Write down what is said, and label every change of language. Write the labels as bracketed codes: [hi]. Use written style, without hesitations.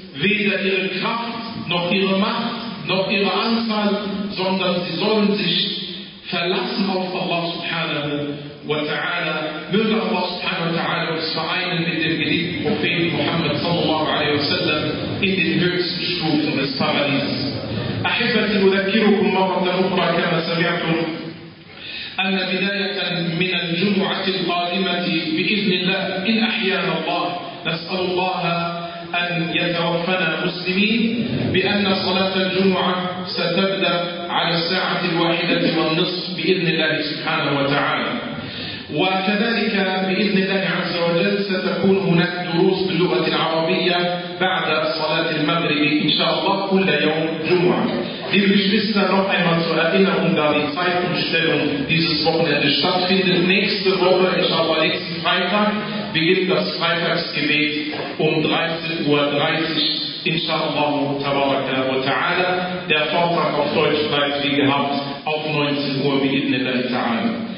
[de] Weder ihre Kraft, noch ihre Macht, noch ihre Anzahl, sondern sie sollen sich verlassen auf Allah subhanahu wa ta'ala. Möge Allah subhanahu wa ta'ala uns vereinen mit dem geliebten Propheten Muhammad sallallahu alaihi wa sallam in den höchsten Stufen des Paradies. [ar] أحبتي أذكركم مرة أخرى كما سمعتم أن بداية من الجمعة القادمة بإذن الله إن أحيانا الله نسأل الله أن يتوفنا مسلمين بأن صلاة الجمعة ستبدأ على الساعة الواحدة والنصف بإذن الله سبحانه وتعالى وكذلك بإذن الله عز وجل ستكون هناك دروس باللغة العربية بعد صلاة المغرب إن شاء الله كل يوم جمعة. [de] Liebe Geschwister, noch einmal zur Erinnerung, da die Zeitumstellung dieses Wochenende stattfindet. Nächste Woche, inshallah, nächsten Freitag, beginnt das Freitagsgebet 13:30 Uhr, inshallah, tabaraka wa ta'ala. Der Vortrag auf Deutsch bleibt, wie gehabt, auf 19 Uhr, bi'idhnillahi ta'ala.